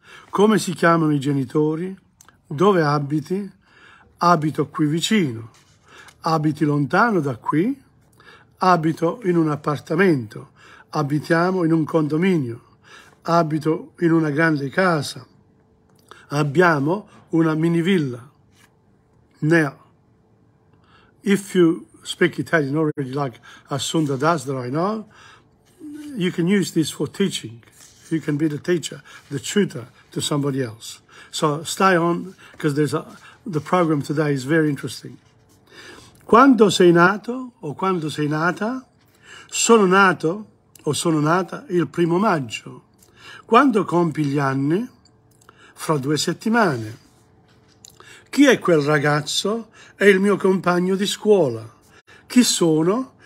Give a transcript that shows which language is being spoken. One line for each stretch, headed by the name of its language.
Italian: Come si chiamano i genitori? Dove abiti? Abito qui vicino. Abiti lontano da qui? Abito in un appartamento. Abitiamo in un condominio. Abito in una grande casa. Abbiamo una mini villa.
English: Now, if you speak Italian already, like Assunta does that I know, you can use this for teaching. You can be the teacher, the tutor to somebody else. So stay on, because the program today is very interesting.
Italian: Quando sei nato o quando sei nata? Sono nato o sono nata il primo maggio. Quando compi gli anni? Fra due settimane. Chi è quel ragazzo? È il mio compagno di scuola. Chi sono?